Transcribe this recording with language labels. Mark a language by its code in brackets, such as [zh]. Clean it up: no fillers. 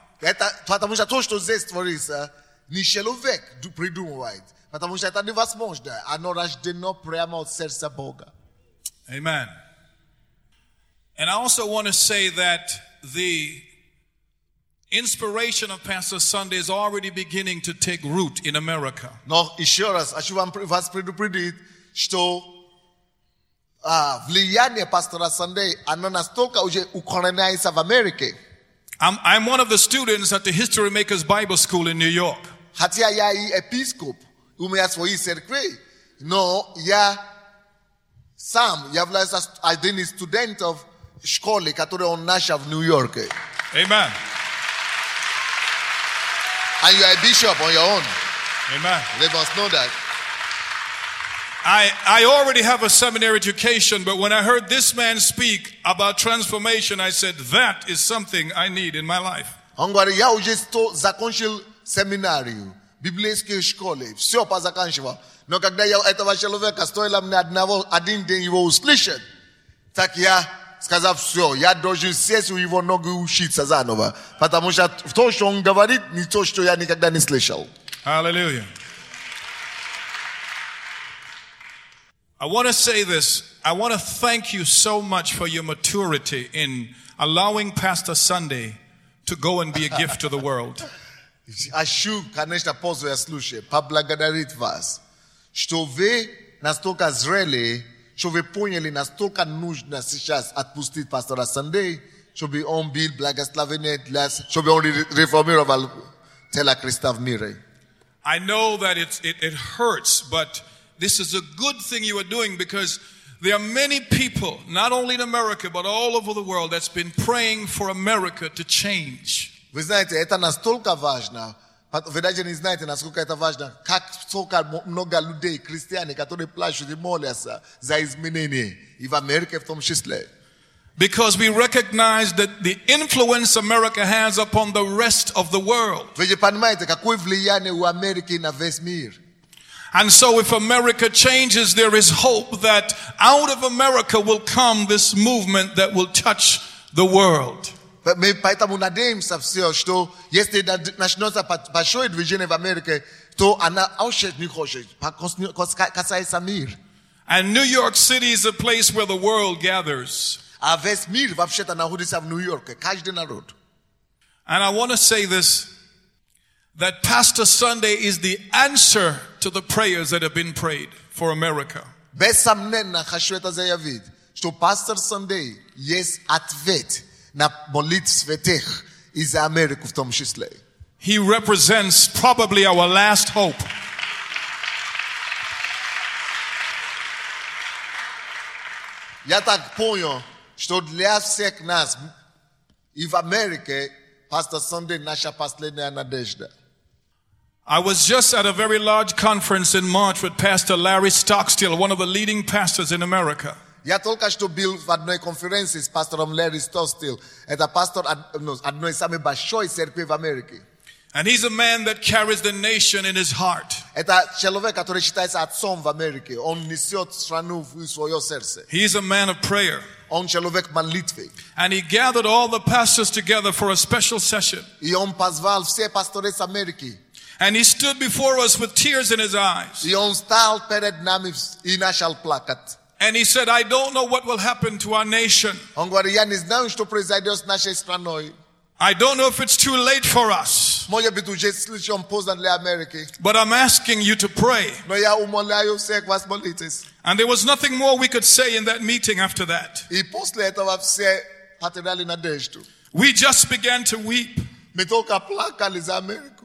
[ru] Это потому что то, что здесь творится, не человек придумывает, потому что это невозможно. Оно рождено прямо от сердца Бога. [en] Amen. And I also want to say that the inspiration of Pastor Sunday is already beginning to take root in America. [ru] Но еще раз, хочу вас предупредить, что влияние пастора Sunday, оно настолько уже укореняется в Америке. [en] I'm one of the students at the History Makers Bible School in New York. [ru] Хотя я и епископ, у меня свои церкви, но я сам являюсь один из студентов школы, которую он начал в Нью-Йорке. [en] Amen. And you're a bishop on your own. Amen. They must know that. I already have a seminary education, but when I heard this man speak about transformation, I said, that is something I need in my life. [ru] Он говорит, я уже закончил семинарию, библейскую школу, все позаканчивал. Но когда я этого человека, стоило мне один день его услышать, так я сказал, все, я должен сесть у его ноги учиться заново. Потому что то, что он говорит, не то, что я никогда не слышал. [en] Hallelujah. I want to say this. I want to thank you so much for your maturity in allowing Pastor Sunday to go and be a gift to the world. [ru] Хочу, конечно, позволить слушать, поблагодарить вас, что вы настолько зрели, что вы поняли, настолько нужно сейчас отпустить пастора Sunday, чтобы он был благословенный для, чтобы он реформировал тело Христа в мире. [en] I know that it hurts, but this is a good thing you are doing because there are many people, not only in America, but all over the world, that's been praying for America to change. [ru] Вы знаете, это настолько важно. Вы даже не знаете, насколько это важно, как столько много людей, христиане, которые плачут и молятся за изменения, и в Америке в том числе. [en] Because we recognize that the influence America has upon the rest of the world. [ru] Вы же понимаете, какое влияние у Америки на весь мир. [en] And so if America changes, there is hope that out of America will come this movement that will touch the world. [ru] Мы поэтому надеемся все, что если начнется большое движение в Америке, то она очень не хочет, касается мир. [en] And New York City is a place where the world gathers. [ru] А весь мир вообще-то находится в Нью-Йорке, каждый народ. [en] And I want to say this, that Pastor Sunday is the answer to the prayers that have been prayed for America. [ru] Без сомнения, хочу это заявить, что Pastor Sunday есть ответ на молитв святых из Америки в том числе. [en] He represents probably our last hope. [ru] Я так понял, что для всех нас и в Америке пастор Сандей наша последняя надежда. [en] I was just at a very large conference in March with Pastor Larry Stockstill, one of the leading pastors in America. [ru] Я только что был в одной конференции с пастором Ларри Стокстилл. Это пастор одной из самых больших церквей в Америке. [en] And he's a man that carries the nation in his heart. [ru] Это человек, который считается отцом в Америке. Он несет страну в свое сердце. [en] He is a man of prayer. [ru] Он человек молитвы. [en] And he gathered all the pastors together for a special session. [ru] И он позвал все пасторы с Америки. [en] And he stood before us with tears in his eyes. [ru] И он стал перед нами и начал плакать. [en] And he said, I don't know what will happen to our nation. [ru] Он говорит, я не знаю, что произойдет с нашей страной. [en] I don't know if it's too late for us. [ru] Может быть, уже слишком поздно для Америки. [en] But I'm asking you to pray. [ru] Но я умоляю всех вас молитесь. [en] And there was nothing more we could say in that meeting after that. [ru] И после этого все потеряли надежду. [en] We just began to weep. [ru] Мы только плакали за Америку.